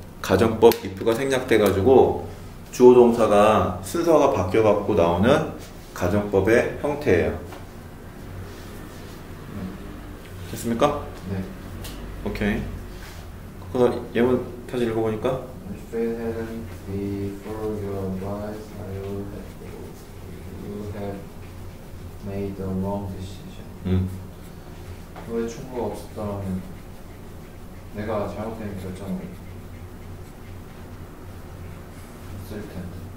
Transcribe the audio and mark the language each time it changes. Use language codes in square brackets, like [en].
[ko] 가정법 if가 생략돼가지고 주어 동사가 순서가 바뀌어갖고 나오는 가정법의 형태예요. 됐습니까? 네. 오케이. 그래서 예문 다시 읽어보니까. [en] If it hadn't been for your advice, I would have made a wrong decision. [ko] 너의 충고가 없었다면 내가 잘못된 결정을 했을 텐데.